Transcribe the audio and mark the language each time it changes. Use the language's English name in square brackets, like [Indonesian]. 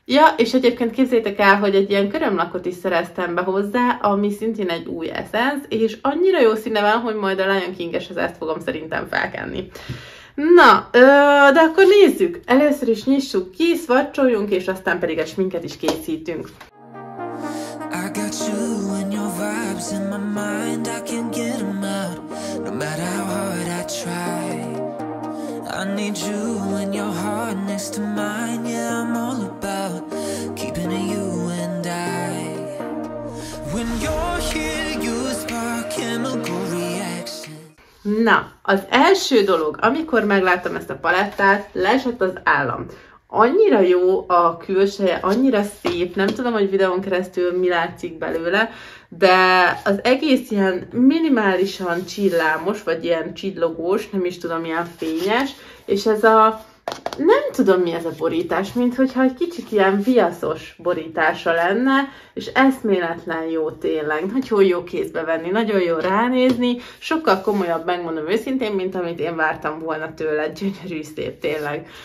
[Hungarian] Ja, és egyébként képzétek el, hogy egy ilyen körömlakot is szereztem be hozzá, ami szintén egy új Essence, és annyira jó színe van, hogy majd a Lion King-eshez ezt fogom szerintem felkenni. Na, de akkor nézzük! Először is nyissuk ki, szvacsoljunk, és aztán pedig a sminket is készítünk. [English] I got you and your vibes in my mind, I can't get them out, no matter how hard I try. I need you and your heart next to mine, yeah, I'm all about keeping you and I. When you're here, you spark chemical reaction. [Hungarian] Na, az első dolog, amikor megláttam ezt a palettát, leesett az állam. Annyira jó a külseje, annyira szép, nem tudom, hogy videón keresztül mi látszik belőle, de az egész ilyen minimálisan csillámos, vagy ilyen csillogós, nem is tudom, ilyen fényes, és ez a, nem tudom mi ez a borítás, minthogyha egy kicsit ilyen viaszos borítása lenne, és eszméletlen jó tényleg, nagyon jó kézbe venni, nagyon jó ránézni, sokkal komolyabb, megmondom őszintén, mint amit én vártam volna tőle, gyönyörű szép tényleg.